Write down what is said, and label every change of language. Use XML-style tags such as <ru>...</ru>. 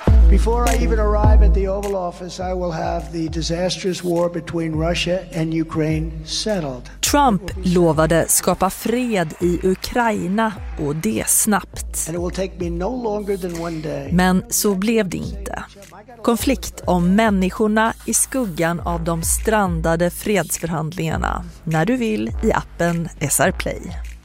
<en>Before I even arrive at the Oval Office, I will have the disastrous war between Russia and Ukraine settled.</en> <sv>Trump lovade skapa fred i Ukraina och det snabbt.</sv> <en>And it will take me no longer than one day.</en> <sv>Men så blev det inte. Konflikt om människorna i skuggan av de strandade fredsförhandlingarna. När du vill i appen SR Play.</sv>